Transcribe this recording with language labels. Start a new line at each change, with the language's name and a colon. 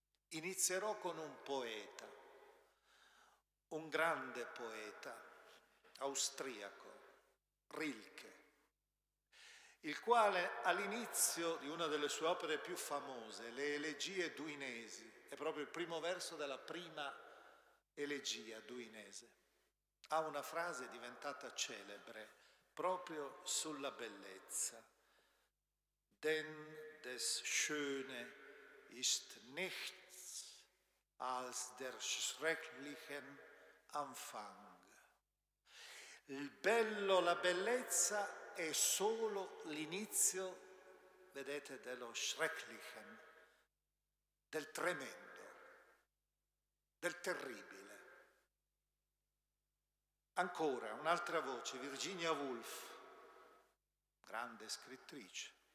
Italian: Inizierò con un poeta. Un grande poeta austriaco, Rilke, il quale all'inizio di una delle sue opere più famose, Le elegie duinesi, è proprio il primo verso della prima elegia duinese. Ha una frase diventata celebre proprio sulla bellezza.
German: Denn des Schöne ist nichts als der schrecklichen Anfang.
Italian: Il bello, la bellezza è solo l'inizio, vedete, dello schrecklichen, del tremendo, del terribile. Ancora un'altra voce, Virginia Woolf, grande scrittrice.